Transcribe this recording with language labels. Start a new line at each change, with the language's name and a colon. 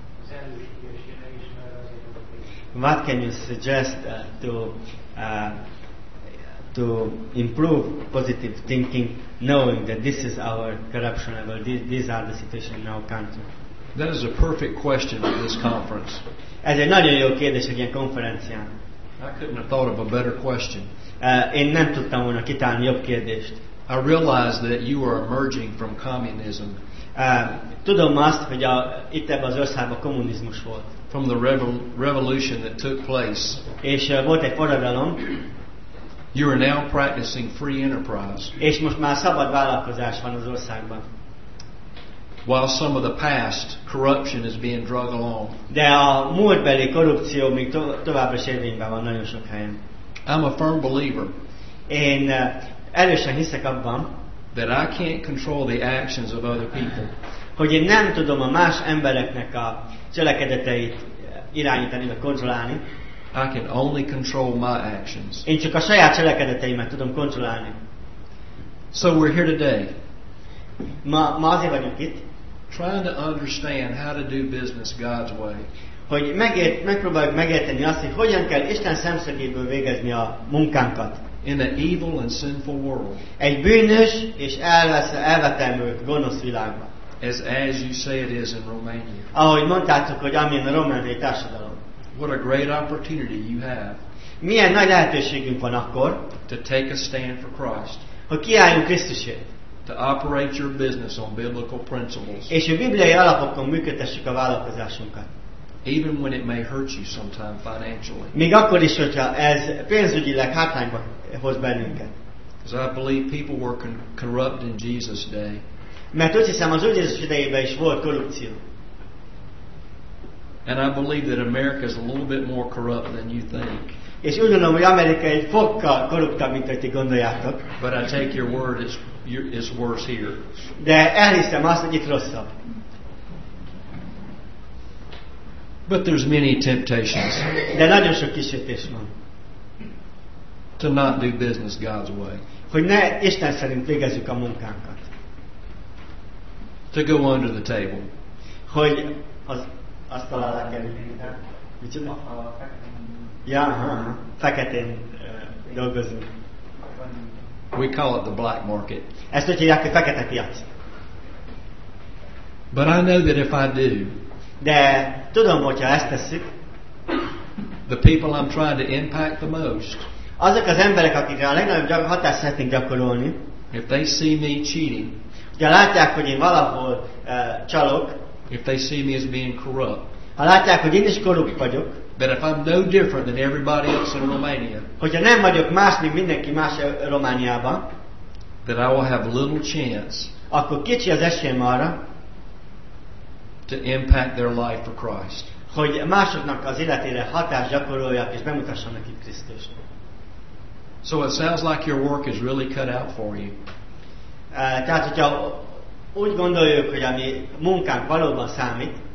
English: What can you suggest to improve positive thinking, knowing that this is our corruption level, these are the situation in our country? That is a perfect question for this conference.
Hungarian: Ez egy nagyon jó kérdés egy ilyen konferencián.
English: I couldn't have thought of a better question.
Hungarian: Én nem tudtam volna kitalálni jobb kérdést.
English: I realize that you are emerging from communism.
Hungarian: Tudom azt, hogy itt ebben az országban kommunizmus volt.
English: From the revolution that took place.
Hungarian: És volt egy forradalom.
English: You are now practicing free enterprise.
Hungarian: És most már szabad vállalkozás van az országban.
English: While some of the past corruption is being dragged along.
Hungarian: De a múltbeli korrupció még továbbra is érvényben van nagyon sok helyen.
English: I'm a firm believer.
Hungarian: Én erősen hiszek abban.
English: That I can't control the actions of other people.
Hungarian: Hogy én nem tudom a más embereknek a cselekedeteit irányítani, vagy kontrollálni.
English: I can only control my actions.
Hungarian: Én csak a saját cselekedeteimet tudom kontrollálni.
English: So we're here today.
Hungarian: Ma azért vagyunk itt.
English: trying to understand how to do business God's way.
Hungarian: Hogy megpróbáljuk megérteni azt, hogy hogyan kell Isten szemszögéből végezni a munkánkat.
English: In an evil and sinful world.
Hungarian: Egy bűnös és elvetemült gonosz világban.
English: As you say it is in Romania.
Hungarian: Ahogy mondtátok, hogy amilyen a romániai társadalom.
English: What a great opportunity you have.
Hungarian: Milyen nagy lehetőségünk van akkor.
English: To take a stand for Christ.
Hungarian: Hogy kiálljunk Krisztusért.
English: To operate your business on biblical principles.
Hungarian: És a bibliai alapokon működtessük a vállalkozásunkat.
English: Even when it may hurt you sometime financially.
Hungarian: Még akkor is, hogyha ez pénzügyileg hátrányba hoz bennünket.
English: As I believe people were corrupt in Jesus' day.
Hungarian: Mert úgy hiszem, az Úr Jézus idejében is volt korrupció.
English: And I believe that America is a little bit more corrupt than you think.
Hungarian: És úgy gondolom, hogy Amerika egy fokkal korruptabb, mint hogy ti gondoljátok.
English: But I take your word, it's worse here.
Hungarian: De elhiszem azt, hogy itt rosszabb.
English: But there's many temptations.
Hungarian: De nagyon sok kísértés van.
English: To not do business God's way.
Hungarian: Hogy ne Isten szerint végezzük a munkánkat.
English: To go under the table.
Hungarian: Hogy az talál a kerülni. Mit csinál? Ja, feketén dolgozunk.
English: We call it the black market.
Hungarian: Ezt úgy hívják, hogy fekete piac.
English: But I know that if I do,
Hungarian: de tudom, hogyha ezt tesszük,
English: the people I'm trying to impact the most,
Hungarian: azok az emberek, akikre a legnagyobb hatást szeretnénk gyakorolni,
English: if they see me cheating,
Hungarian: ha látják, hogy én valahol csalok,
English: if they see me as being corrupt,
Hungarian: ha látják, hogy én is korrupt vagyok,
English: that if I'm no different than everybody else in Romania,
Hungarian: hogyha nem vagyok más, mint mindenki más Romániában,
English: that I will have little chance,
Hungarian: akkor kicsi az esélyem arra,
English: to impact their life for Christ,
Hungarian: hogy másoknak az életére hatást gyakoroljak és bemutassam nekik Krisztust.
English: So it sounds like your work is really cut out for you.
Hungarian: Tehát, hogyha úgy gondoljuk, hogy a mi munkánk valóban számít,